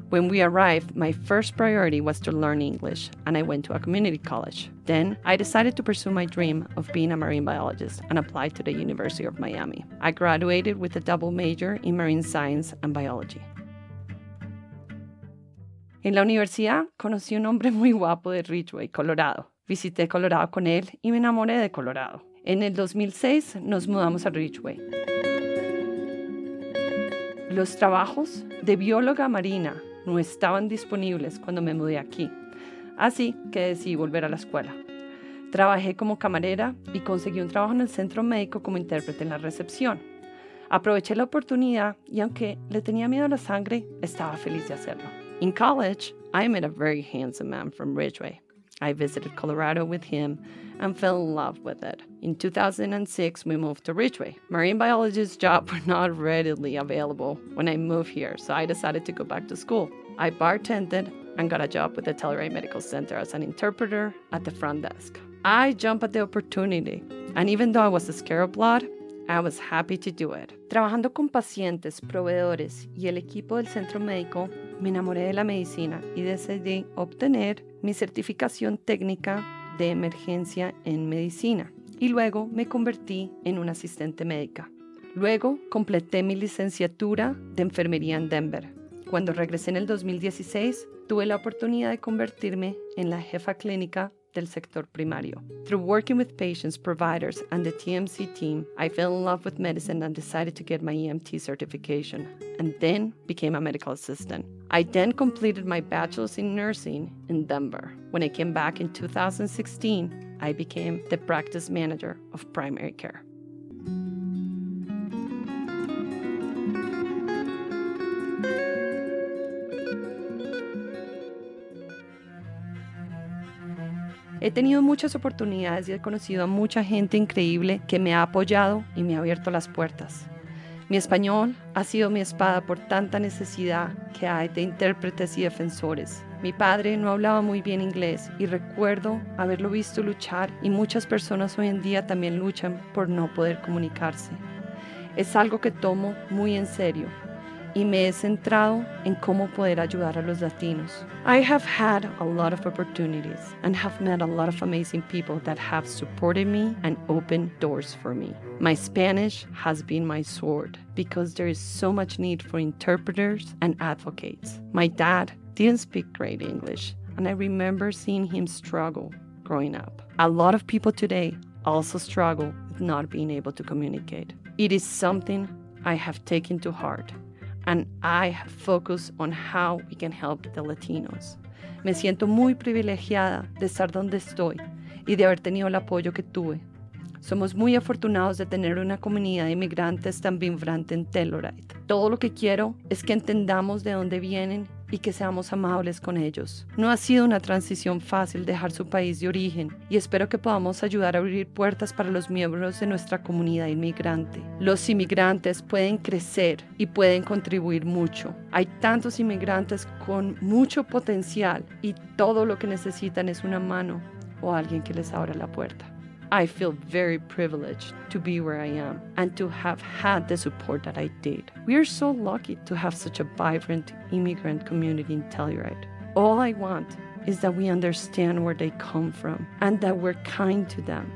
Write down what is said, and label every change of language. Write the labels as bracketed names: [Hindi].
[English] When we arrived, my first priority was to learn English, and I went to a community college. Then, I decided to pursue my dream of being a marine biologist and apply to the University of Miami. I graduated with a double major in marine science and biology. [Spanish] En la universidad, conocí un hombre muy guapo de Ridgway, Colorado. Visité Colorado con él y me enamoré de Colorado. En el 2006 nos mudamos a Ridgway. Los trabajos de bióloga marina no estaban disponibles cuando me mudé aquí, así que decidí volver a la escuela. Trabajé como camarera y conseguí un trabajo en el centro médico como intérprete en la recepción. Aproveché la oportunidad y aunque le tenía miedo a la sangre, estaba feliz de hacerlo. [English] In college, I met a very handsome man from Ridgway. I visited Colorado with him and fell in love with it. In 2006, we moved to Ridgway. Marine biologist jobs were not readily available when I moved here, so I decided to go back to school. I bartended and got a job with the Telluride Medical Center as an interpreter at the front desk. I jumped at the opportunity, and even though I was a scared of blood, I was happy to do it. [Spanish] Trabajando con pacientes, proveedores y el equipo del centro médico, me enamoré de la medicina y decidí obtener mi certificación técnica de emergencia en medicina y luego me convertí en una asistente médica. Luego completé mi licenciatura de enfermería en Denver. Cuando regresé en el 2016, tuve la oportunidad de convertirme en la jefa clínica del sector primario. [English] Through working with patients, providers, and the TMC team, I fell in love with medicine and decided to get my EMT certification, and then became a medical assistant. I then completed my bachelor's in nursing in Denver. When I came back in 2016, I became the practice manager of primary care. [Spanish] He tenido muchas oportunidades y he conocido a mucha gente increíble que me ha apoyado y me ha abierto las puertas. Mi español ha sido mi espada por tanta necesidad que hay de intérpretes y defensores. Mi padre no hablaba muy bien inglés y recuerdo haberlo visto luchar y muchas personas hoy en día también luchan por no poder comunicarse. Es algo que tomo muy en serio. Y me he centrado en cómo poder ayudar a los latinos. [English] I have had a lot of opportunities and have met a lot of amazing people that have supported me and opened doors for me. My Spanish has been my sword because there is so much need for interpreters and advocates. My dad didn't speak great English, and I remember seeing him struggle growing up. A lot of people today also struggle with not being able to communicate. It is something I have taken to heart. And I have focused on how we can help the Latinos. [Spanish] Me siento muy privilegiada de estar donde estoy y de haber tenido el apoyo que tuve. Somos muy afortunados de tener una comunidad de inmigrantes tan vibrante en Telluride. Todo lo que quiero es que entendamos de dónde vienen y que seamos amables con ellos. No ha sido una transición fácil dejar su país de origen y espero que podamos ayudar a abrir puertas para los miembros de nuestra comunidad inmigrante. Los inmigrantes pueden crecer y pueden contribuir mucho. Hay tantos inmigrantes con mucho potencial y todo lo que necesitan es una mano o alguien que les abra la puerta. [English] I feel very privileged to be where I am and to have had the support that I did. We are so lucky to have such a vibrant immigrant community in Telluride. All I want is that we understand where they come from and that we're kind to them.